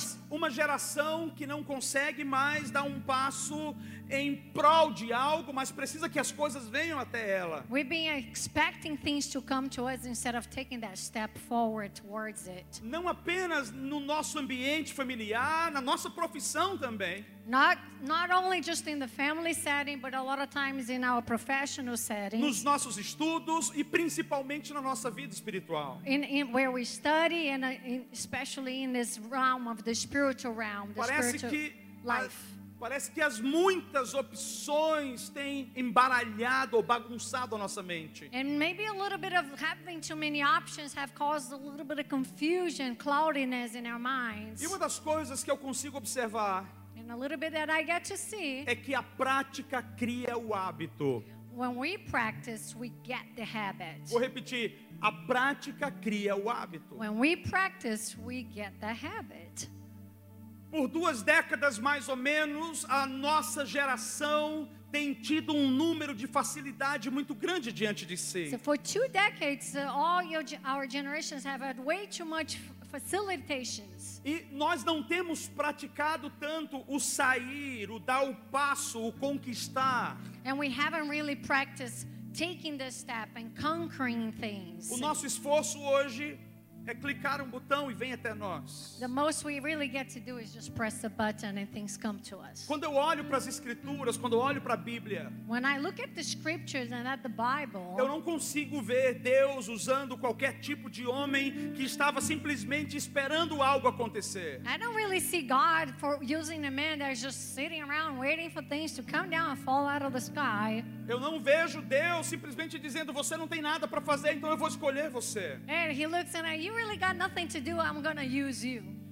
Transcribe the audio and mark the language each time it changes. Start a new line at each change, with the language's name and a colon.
Portuguese: Uma geração que não consegue mais dar um passo em prol de algo, mas precisa que as coisas venham até ela.
English: We've been expecting things to come to us instead of taking that step forward towards it.
Portuguese: Não apenas no nosso ambiente familiar, na nossa profissão também.
English: Not only just in the family setting, but a lot of times in our professional setting.
Portuguese: Nos nossos estudos e principalmente na nossa vida espiritual.
English: In where we study and especially in this realm of the spiritual realm, the spiritual life.
Portuguese: Parece que as muitas opções têm embaralhado ou bagunçado a nossa mente.
English: And maybe a little bit of having too many options have caused a little bit of confusion, cloudiness in our minds.
Portuguese: E uma das coisas que eu consigo observar,
English: and a little bit that I get to see,
Portuguese: é que a prática cria o hábito.
English: When we practice, we get the habit.
Portuguese: Vou repetir, a prática cria o hábito.
English: When we practice, we get the habit.
Portuguese: Por duas décadas, mais ou menos, a nossa geração tem tido um número de facilidade muito grande diante de si.
English: So for two decades, all our generations have had way too much facilitations.
Portuguese: E nós não temos praticado tanto o sair, o dar o passo, o conquistar.
English: And we haven't really practiced taking the step and conquering things.
Portuguese: O nosso esforço hoje é clicar um botão e vem até nós.
English: The most we really get to do is just press a button and things come to us.
Portuguese: Quando eu olho para as escrituras, quando eu olho para a Bíblia,
English: when I look at the scriptures and at the Bible,
Portuguese: eu não consigo ver Deus usando qualquer tipo de homem que estava simplesmente esperando algo acontecer.
English: I don't really see God for using a man that's just sitting around waiting for things to come down and fall out of the sky.
Portuguese: Eu não vejo Deus simplesmente dizendo, você não tem nada para fazer, então eu vou escolher você.
English: And he looks and you really got nothing to do, I'm going to use you.